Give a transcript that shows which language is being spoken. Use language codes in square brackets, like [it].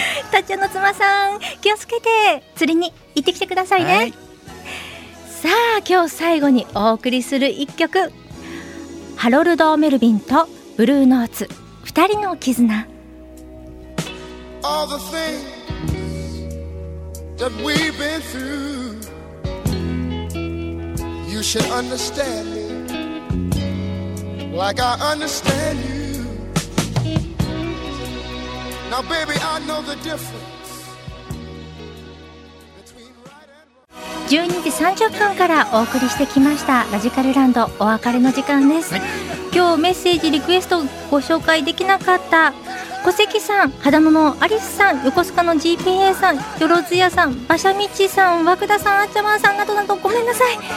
[ja] タッチャの妻さん気をつけて釣りに行ってきてくださいね、はい、さあ今日最後にお送りする一曲、ハロルド・メルヴィンとブルーノーツ二人の絆。 [en] All the things that we've been through, you should understand me like I understand you. Now baby, I know the difference between right and wrong. [ja] 12時30分からお送りしてきましたラジカルランド、お別れの時間です、はい、今日メッセージリクエストご紹介できなかった小関さん、肌ののアリスさん、横須賀の GPA さん、よろずやさん、馬車道さん、和久田さん、あっちゃまんさんなどなどごめんなさい。